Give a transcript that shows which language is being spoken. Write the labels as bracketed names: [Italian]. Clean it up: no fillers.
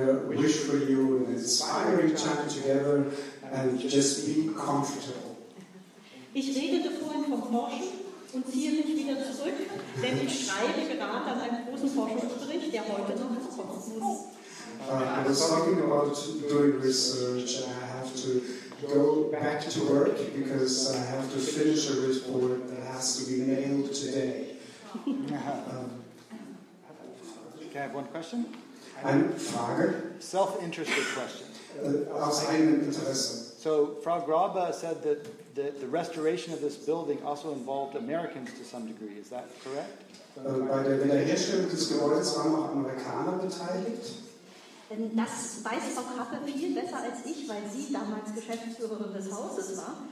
[English] Wish for you an inspiring time together and just be comfortable. [German] Ich redete vorhin vom Forschen und ziehe mich wieder zurück, denn ich schreibe gerade an einem großen Forschungsbericht, der heute noch kommen muss. [English] I was talking about doing research. I have to go back to work because I have to finish a report that has to be mailed today. Can I have one question? [German] Frage? [English] Self-interested question. [German] Aus eigenem Interesse. [English] So Frau Graba said that the restoration of this building also involved Americans to some degree. Is that correct? [German] Bei der Wiederherstellung des Gebäudes waren auch Amerikaner beteiligt. Das weiß Frau Krappe viel besser als ich, weil sie damals Geschäftsführerin des Hauses war.